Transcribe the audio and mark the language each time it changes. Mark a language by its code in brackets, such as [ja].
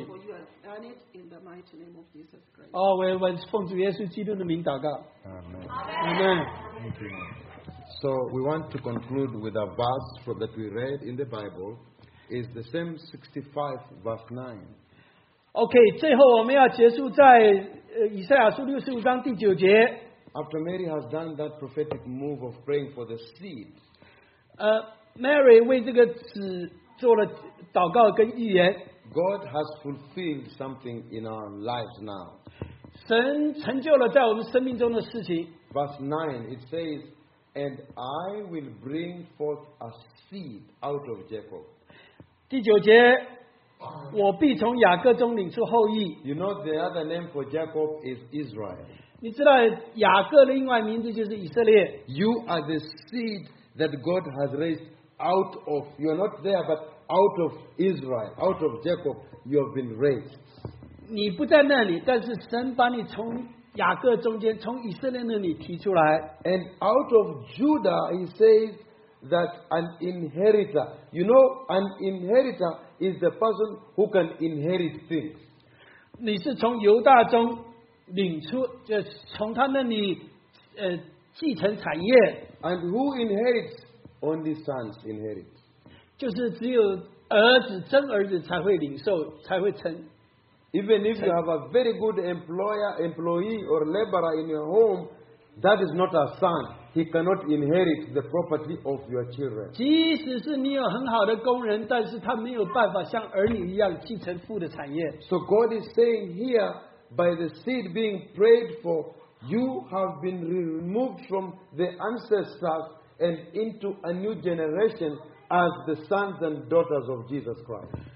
[en] You have done it in the mighty name of Jesus Christ. [zh] 哦, 我们奉主耶稣基督的名祷告。 [en] Amen. Amen. Thank you. So we want to conclude with a verse from that we read in the Bible. It's the same 65 verse 9. [zh] Okay, 最后我们要结束在 以赛亚书65章第9节, [en] after Mary has done that prophetic move of praying for the seed, [zh] Mary 为这个子做了祷告跟预言, [en] God has fulfilled something in our lives now. [zh] 神成就了在我们生命中的事情。 [en] Verse 9, it says, and I will bring forth a seed out of Jacob. [zh] 第9节, 我必从雅各中领出后裔。 [en] You know the other name for Jacob is Israel. [zh] 你知道雅各的另外名字就是以色列。 [en] You are the seed that God has raised out of. You are not there, but out of Israel, out of Jacob, you have been raised. [zh] 你不在那里, 但是神把你从雅各中间, 从以色列那里提出来。 [en] And out of Judah, he says, that an inheritor. You know, an inheritor is the person who can inherit things. [zh] 你是从犹大中领出, 就从他那里, 继承产业。 [en] And who inherits? Only sons inherit. [zh] 就是只有儿子, 真儿子才会领受, 才会成。 [en] Even if you have a very good employer, employee or laborer in your home, that is not a son. He cannot inherit the property of your children. [zh] 即使是你有很好的工人, 但是他没有办法像儿女一样继承父的产业。 [en] So God is saying here, by the seed being prayed for, you have been removed from the ancestors and into a new generation as the sons and daughters of Jesus Christ.